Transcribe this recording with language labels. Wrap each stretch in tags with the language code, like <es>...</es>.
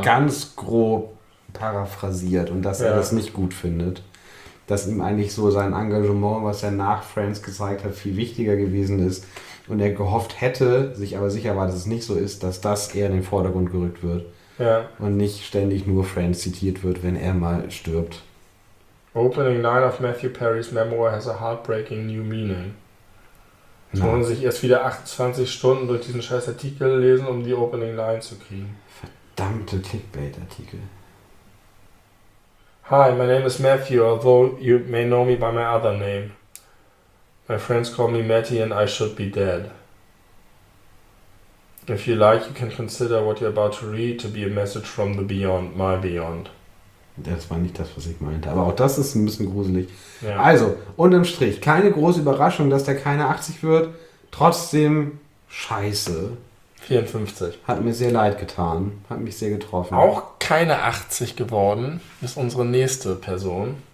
<de>Ganz grob paraphrasiert und dass er das nicht gut findet. Dass ihm eigentlich so sein Engagement, was er nach Friends gezeigt hat, viel wichtiger gewesen ist. Und er gehofft hätte, sich aber sicher war, dass es nicht so ist, dass das eher in den Vordergrund gerückt wird. Ja. Und nicht ständig nur Friends zitiert wird, wenn er mal stirbt.</de> <en>Opening line of Matthew Perry's memoir has a heartbreaking new meaning.</en> <de>Jetzt muss man sich erst wieder 28 Stunden durch diesen scheiß Artikel lesen, um die opening line zu kriegen. Verdammte Clickbait-Artikel.</de> <en>Hi, my name is Matthew, although you may know me by my other name. My friends call me Matty and I should be dead. If you like, you can consider what you're about to read to be a message from the beyond, my beyond.</en> <de>Das war nicht das, was ich meinte. Aber auch das ist ein bisschen gruselig. Ja. Also, unterm Strich, keine große Überraschung, dass der keine 80 wird. Trotzdem, scheiße. 54. Hat mir sehr leid getan. Hat mich sehr getroffen. Auch keine 80 geworden ist unsere nächste Person.</de>